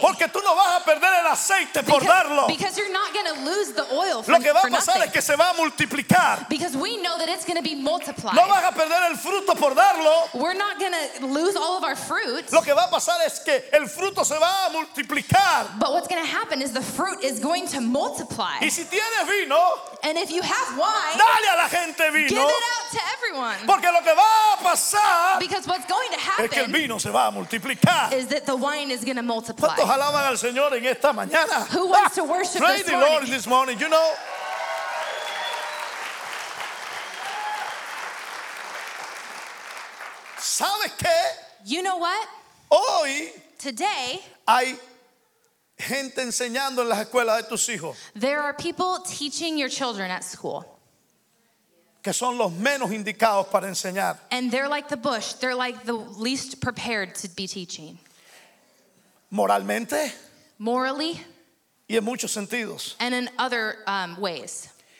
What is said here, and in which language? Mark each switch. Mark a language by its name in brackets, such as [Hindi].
[Spanish] Porque tú no vas a perder el aceite por darlo. [English] Because you're not going to lose the oil for [Spanish] nothing. Lo que va a pasar es que se va a multiplicar. [English] Because we know that it's going to be multiplied. [Spanish] No vas a perder el fruto por darlo. [English] We're not going to lose all of our fruit. [Spanish] Lo que va a pasar es que el fruto se va a multiplicar. [English] But what's going to happen is the fruit is going to multiply. [Spanish] Y si tienes vino, [English] and if you have wine, [Spanish] dale a la gente vino. [English] Give it out to everyone. [Spanish] Porque lo que va a pasar, [English] because what's going to happen, [Spanish] es que el vino se va a multiplicar, [English] is that the wine is going to multiply. [Spanish] ¿Cuántos alaban al Señor en esta mañana? [English] Who wants to worship Praise this the morning? Lord this morning, you know. [Spanish] ¿Sabes qué? [English] You know what? [Spanish] Hoy, [English] today, [Spanish] hay gente enseñando en las escuelas de tus hijos. [English] There are people teaching your children at school. [Spanish] Que son los menos indicados para enseñar. [English] And they're like the bush. They're like the least prepared to be teaching. [Spanish] Moralmente. [English] Morally. [Spanish] Y en muchos sentidos. [English] And in other ways.